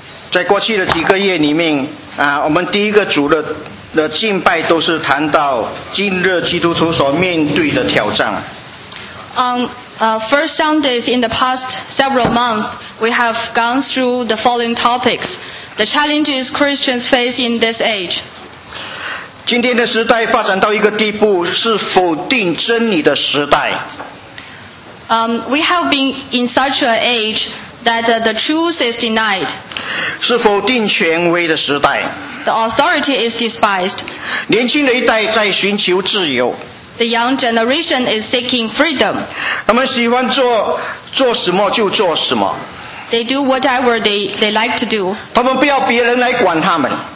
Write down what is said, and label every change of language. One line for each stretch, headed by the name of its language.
Chinese: 在过去的几个月里面啊，我们第一个组的敬拜都是谈到今日基督徒所面对的挑战。
English: First Sundays in the past several months, we have gone through the following topics: the challenges Christians face in this age.
Chinese: 今天的时代发展到一个地步，是否定真理的时代。
English: We have been in such an age that the truth is denied.
Chinese: 是否定权威的时代。
English: The authority is despised.
Chinese: 年轻的一代在寻求自由。
English: The young generation is seeking freedom.
Chinese: 他们喜欢做什么就做什么。
English: They do whatever they like to do.
Chinese: 他们不要别人来管他们。